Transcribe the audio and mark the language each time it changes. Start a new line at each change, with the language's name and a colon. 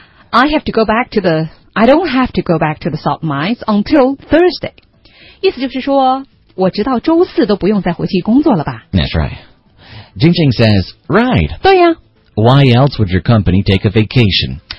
English: I don't have to go back to the salt mines until Thursday.
Chinese: 意思就是说，我直到周四都不用再回去工作了吧
English: ？That's right. Jing Jing says, right.
Chinese: 对呀。
English: Why else would your company take a vacation?